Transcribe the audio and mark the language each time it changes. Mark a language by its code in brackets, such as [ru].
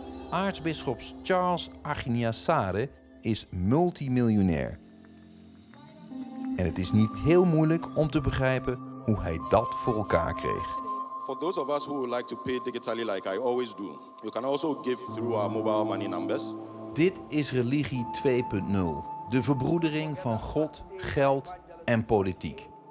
[nl] Aartsbisschop Charles Aginiasare is multimiljonair. En het is niet heel moeilijk om te begrijpen hoe hij dat voor elkaar kreeg. [en] For those of us who would like to pay digitally like I always do, you can also give through our mobile money numbers. [nl] Dit is religie 2.0, de verbroedering van God, geld en politiek.